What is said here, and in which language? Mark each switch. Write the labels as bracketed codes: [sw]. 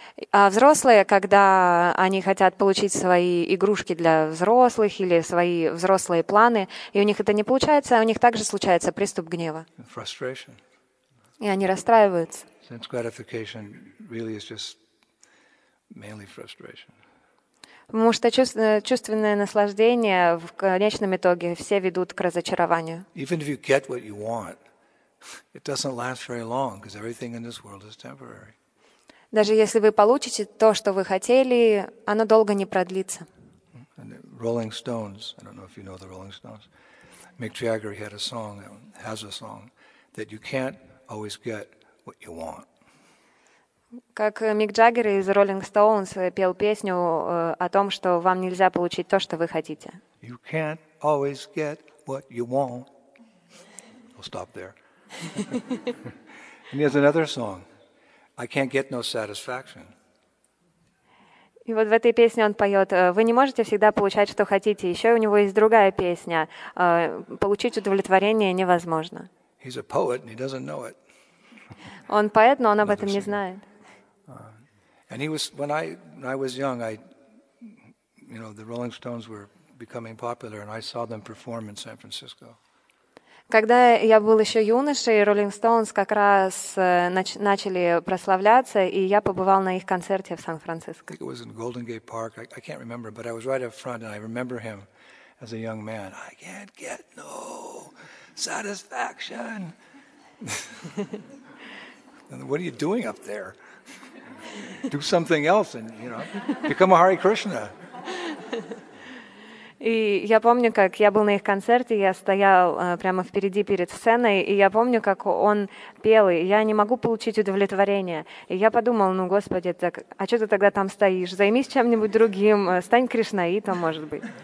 [ru] А взрослые, когда они хотят получить свои игрушки для взрослых или свои взрослые планы, и у них это не получается, у них также случается приступ гнева. [en] Frustration. [ru] И они расстраиваются. [en] Sense gratification really is just mainly frustration. [ru] Потому что чувственное наслаждение в конечном итоге все ведут к разочарованию. [en] Even if you get what you want, it doesn't last very long, because everything in this world is temporary. [ru] Даже если вы получите то, что вы хотели, оно долго не продлится. [en] Rolling Stones, I don't know if you know the Rolling Stones. Mick Jagger had a song, has a song, that you can't always get what you want. [ru] Как Мик Джаггер из Rolling Stones пел песню о том, что вам нельзя получить то, что вы хотите. [en] You can't always get what you want. We'll stop there. And there's another song. I can't get no satisfaction. [ru] И вот в этой песне он поет: вы не можете всегда получать, что хотите. Еще у него есть другая песня: получить удовлетворение невозможно. [en] He's a poet and he doesn't know it. [ru] Он поэт, но он об этом не знает. [en] And he was when I was young, the Rolling Stones were becoming popular, and I saw them perform in San Francisco. [ru] Когда я был еще юношей, Rolling Stones как раз начали прославляться, и я побывал на их концерте в Сан-Франциско. [en] It was in Golden Gate Park. I can't remember, but I was right up front, and I remember him as a young man. I can't get no satisfaction. What are you doing up there? Do something else, and become a Hare Krishna. [ru] И я помню, как я был на их концерте, я стоял прямо впереди перед сценой, и я помню, как он пел, и я не могу получить удовлетворение. И я подумал, Господи, так, а что ты тогда там стоишь? Займись чем-нибудь другим, стань кришнаитом, может быть.